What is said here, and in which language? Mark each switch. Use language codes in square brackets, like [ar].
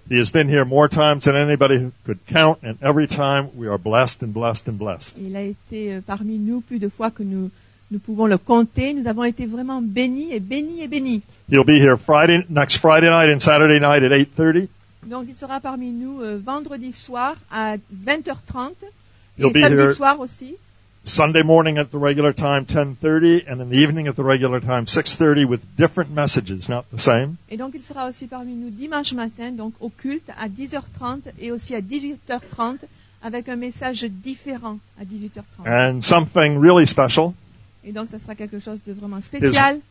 [en] He has been here more times than anybody could count, and every time we are blessed and blessed and blessed. [fr] Il a été parmi nous plus de fois que nous pouvons le compter. Nous avons été vraiment bénis et bénis et bénis. [en] He'll be here next Friday night and Saturday night at 8:30. [fr] Donc il sera parmi nous vendredi soir à 20h30. [en] He'll [fr] et samedi soir aussi. [en] Sunday morning at the regular time, 10:30, and in the evening at the regular time, 6:30, with different messages, not the same. [fr] Et donc il sera aussi parmi nous dimanche matin, donc au culte, à 10h30 et aussi à 18h30, avec un message différent à 18h30. [en] And something really special. [fr] Et donc ça sera quelque chose de vraiment spécial.